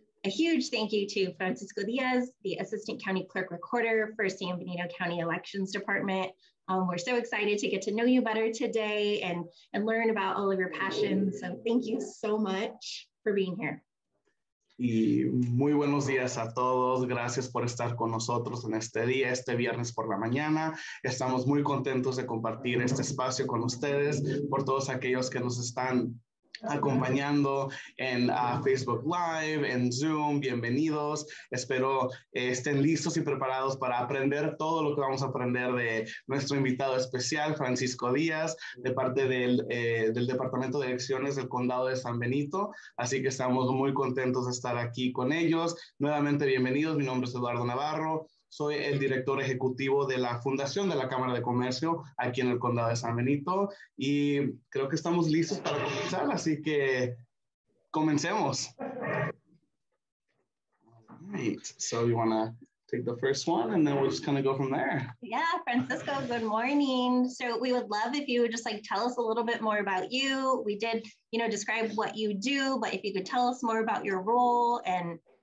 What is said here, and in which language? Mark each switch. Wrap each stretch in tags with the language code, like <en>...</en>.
<en>A huge thank you to Francisco Diaz, the Assistant County Clerk-Recorder for San Benito County Elections Department. We're so excited to get to know you better today and learn about all of your passions. So thank you so much for being here.</en> <es>Y muy buenos días a todos. Gracias por estar con nosotros en este día, este viernes por la mañana. Estamos muy contentos de compartir este espacio con ustedes, por todos aquellos que nos están acompañando en Facebook Live, en Zoom. Bienvenidos. Espero estén listos y preparados para aprender todo lo que vamos a aprender de nuestro invitado especial, Francisco Diaz, de parte del Departamento de Elecciones del Condado de San Benito. Así que estamos muy contentos de estar aquí con ellos. Nuevamente, bienvenidos. Mi nombre es Eduardo Navarro. Soy el director ejecutivo de la Fundación de la Cámara de Comercio aquí en el Condado de San Benito y creo que estamos listos para comenzar, así que comencemos.</es> <en>All right, so you want to take the first one and then we'll just kind of go from there. Yeah, Francisco, good morning. So we would love if you would just like tell us a little bit more about you. We did, you know, describe what you do, but if you could tell us more about your role and...</en>